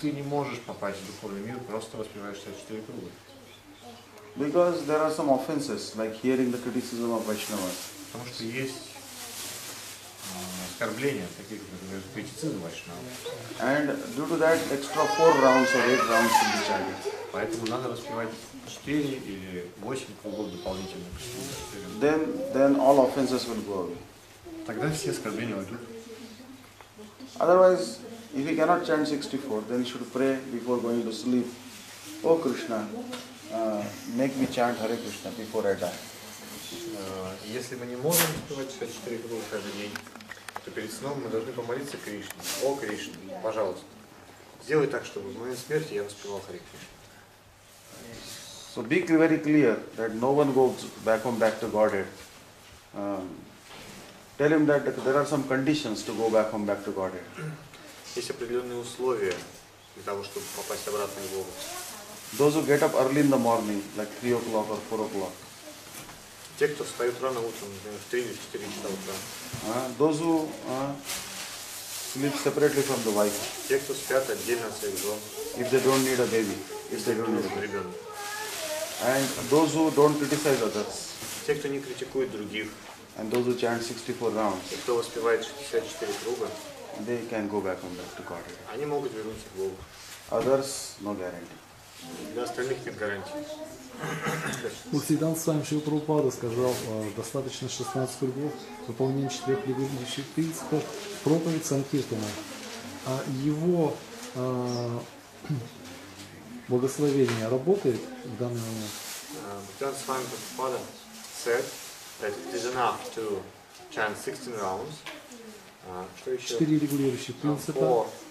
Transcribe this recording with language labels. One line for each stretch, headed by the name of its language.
Russian: Ты не можешь попасть в духовный мир, просто воспеваешь 64 круга.
English: Because there are some offenses, like hearing the criticism of Vaishnava.
Russian: Потому что есть оскорбления, таких, например, критицизм Вайшнава.
English: And due to that, extra 4 rounds or 8 rounds should be chanted.
Russian: Поэтому надо воспевать 4 или 8 кругов дополнительно.
English: Then all offenses will go away.
Russian: Тогда все оскорбления уйдут.
English: Otherwise, if you cannot chant 64, then you should pray before going to sleep. O Krishna, make me chant Hare Krishna before I die.
Russian: Если мы не можем воспевать 64 круга каждый день, то перед сном мы должны помолиться Кришне. О Кришна, пожалуйста, сделай так, чтобы в моей смерти я воспевал Харе Кришна.
English: So be very clear that no one goes back home back to Godhead. Tell him that there are some conditions to go back home back to Godhead.
Russian: Есть определенные условия для того, чтобы попасть обратно к Богу.
English: Those who get up early in the morning, like 3 o'clock or 4 o'clock.
Russian: Те, кто встают рано утром, например, в 3 или 4 часа утра.
English: Those who sleep separately from the wife.
Russian: Те, кто спят отдельно от своих жен.
English: If they don't need a baby. If they don't need a
Russian: ребенок.
English: And those who don't criticize others.
Russian: Те, кто не критикует других.
English: And those who chant 64 rounds.
Russian: Те, кто воспевает 64 круга.
English: They can go back home back to God.
Russian: Они могут вернуться к Богу.
English: Others, no guarantee.
Russian: Для остальных нет гарантий. Бхактисиддханта Свами Шрила Прабхупада сказал, достаточно 16 кругов, выполнение 4 предыдущих принципов, проповедь Санкиртана. его благословение работает в данный момент?
English: Because Swami Prabhupada said that it is enough to chant 16 rounds.
Russian: Четыре регулирующих принципа.